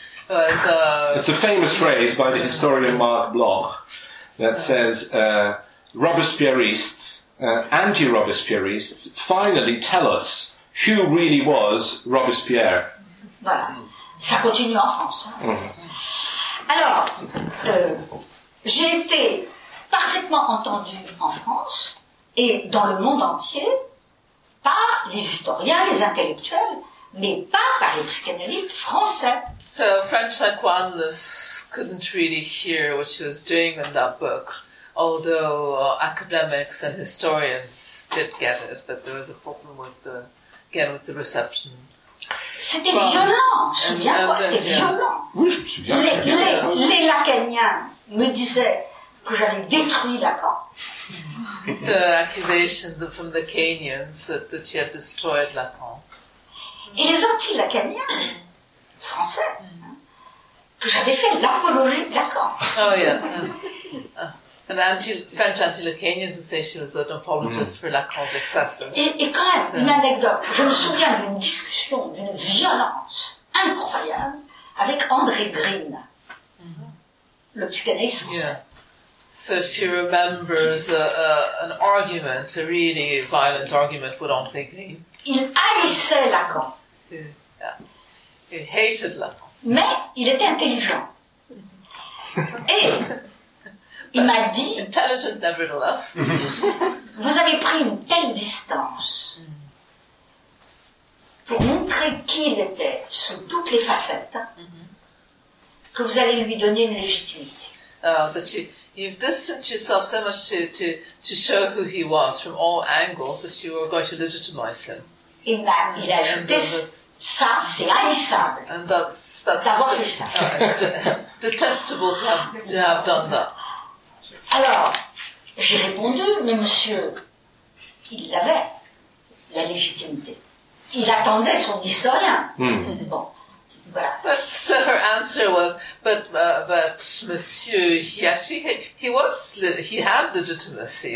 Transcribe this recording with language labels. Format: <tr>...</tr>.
<en>It's a famous phrase by the historian Marc Bloch that says, Robespierrists, anti-Robespierrists, finally tell us who really was Robespierre.</en> <fr>Voilà. Ça continue en France. Mm-hmm. Alors, j'ai été parfaitement entendu en France et dans le monde entier par les historiens, les intellectuels, mais pas par les psychanalystes français.</fr> <en>So French psychoanalysts couldn't really hear what she was doing in that book, although academics and historians did get it, but there was a problem with the reception.</en> <fr>C'était violent, je me souviens, c'était violent. Oui, je me souviens. Les Lacaniens me disaient que j'avais détruit Lacan.</fr> <en>The accusation from the Lacanians that she had destroyed Lacan.</en> <fr>Et les anti-Lacaniens, français, que j'avais fait l'apologie de Lacan.</fr> <en>Oh, yeah. An French anti-Lacanian to say she was an apologist for Lacan's excesses.</en> <fr>Et quand même, une anecdote. Je me souviens d'une discussion, d'une violence incroyable avec André Green, le psychanalyste.</fr> <en>So she remembers an argument, a really violent argument with André Green.</en> <fr>Il haïssait Lacan.</fr> <en>He hated Lacan.</en> <fr>Mais il était intelligent. Et il m'a dit,</fr> <en>intelligent nevertheless,</en> <fr>vous avez pris une telle distance pour montrer qui il était sous toutes les facettes que vous allez lui donner une légitimité.</fr> <en>That you've distanced yourself so much to show who he was from all angles that you were going to legitimize him.</en> <fr>Il a ajouté, ça, c'est haïssable.</fr> <en>And that's</en> <fr>d'avoir fait ça.</fr> <en>Detestable to have done that.</en> <fr>Alors, j'ai répondu, mais monsieur, il avait la légitimité. Il attendait son historien. Bon.</fr> <en>But so her answer was, but Monsieur, he had legitimacy.</en>